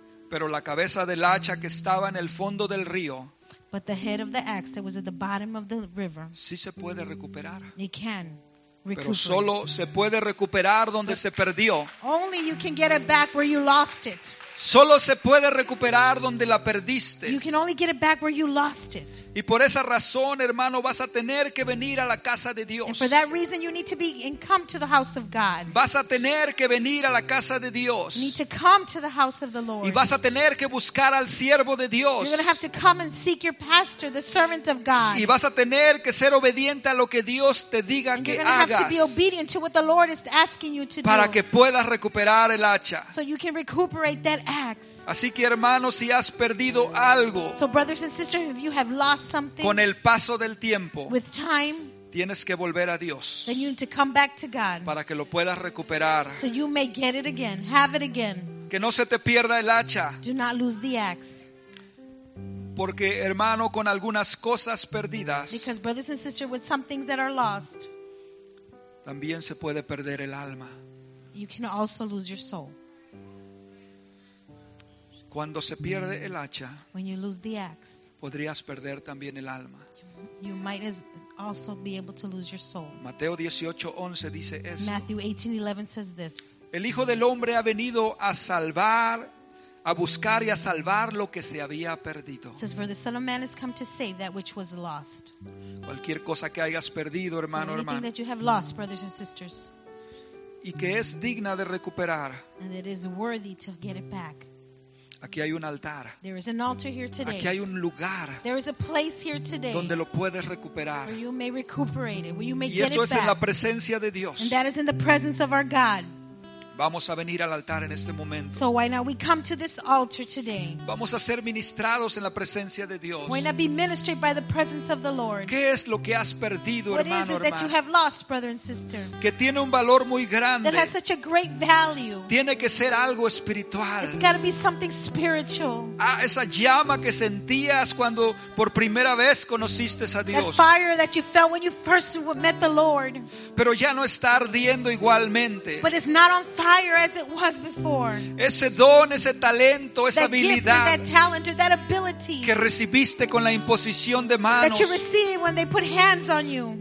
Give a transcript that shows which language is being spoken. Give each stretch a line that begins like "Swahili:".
Spanish: Pero la cabeza del hacha que estaba en el fondo del río
English: but the head of the axe that was at the bottom of the river
Spanish: sí se puede recuperar.
English: It can recuperate.
Spanish: Pero solo se puede recuperar donde but se perdió.
English: Only you can get it back where you lost it.
Spanish: Solo se puede recuperar donde la perdiste.
English: You can only get it back where you lost it.
Spanish: Y por esa razón, hermano, vas a tener que venir a la casa de Dios.
English: And for that reason, you need to be and come to the house of God.
Spanish: Vas a tener que venir a la casa de Dios.
English: You need to come to the house of the Lord.
Spanish: Y vas a tener que buscar al siervo de Dios.
English: You're going to have to come and seek your pastor, the servant of God.
Spanish: Y vas a tener que ser obediente a lo que Dios te diga
English: and
Spanish: que hagas.
English: You have to be obedient to what the Lord is asking you to
Spanish: para
English: do.
Spanish: Para que puedas recuperar el hacha.
English: So you can recuperate that axe.
Spanish: Así que hermanos, si has perdido algo.
English: So brothers and sisters, if you have lost something.
Spanish: Con el paso del tiempo.
English: With time.
Spanish: Tienes que volver a Dios.
English: Then you need to come back to God.
Spanish: Para que lo puedas recuperar.
English: So you may get it again, have it again.
Spanish: Que no se te pierda el hacha.
English: Do not lose the axe.
Spanish: Porque hermano, con algunas cosas perdidas.
English: Because brothers and sisters, with some things that are lost.
Spanish: También se puede perder el alma.
English: You can also lose your soul.
Spanish: Cuando se pierde el hacha,
English: when you lose the axe,
Spanish: podrías perder también el alma.
English: You might as also be able to lose your soul.
Spanish: Mateo 18:11 dice esto.
English: Matthew 18:11 says this.
Spanish: El Hijo del Hombre ha venido a salvar, a buscar y a salvar lo que se había perdido.
English: It says, for the Son of Man has come to save that which was lost.
Spanish: Cualquier cosa que hayas perdido, hermano, hermano.
English: Anything that you have lost, brothers and sisters.
Spanish: Y que es digna de recuperar.
English: And it is worthy to get it back.
Spanish: Aquí hay un altar.
English: There is an altar here today.
Spanish: Aquí hay un lugar.
English: There is a place here today.
Spanish: Donde lo puedes recuperar.
English: Where you may recuperate it. Where you may get it back.
Spanish: Y esto es en la presencia de Dios.
English: And that is in the presence of our God.
Spanish: Vamos a venir al altar en este momento.
English: So why not we come to this altar today?
Spanish: Vamos a ser ministrados en la presencia de Dios.
English: Why not be ministered by the presence of the Lord?
Spanish: ¿Qué es lo que has perdido,
English: what
Spanish: hermano,
English: is it that
Spanish: hermano?
English: You have lost, brother and sister?
Spanish: Que tiene un valor muy grande.
English: That has such a great value.
Spanish: Tiene que ser algo espiritual.
English: It's got to be something spiritual.
Spanish: Ah, esa llama que sentías cuando por primera vez conociste a Dios.
English: That fire that you felt when you first met the Lord.
Spanish: Pero ya no está ardiendo igualmente.
English: But it's not on fire as it was before.
Spanish: Ese don, ese talento, esa
English: that
Spanish: habilidad
English: gift, that talent, or that ability
Spanish: que recibiste con la imposición de manos.
English: That you received when they put hands on you.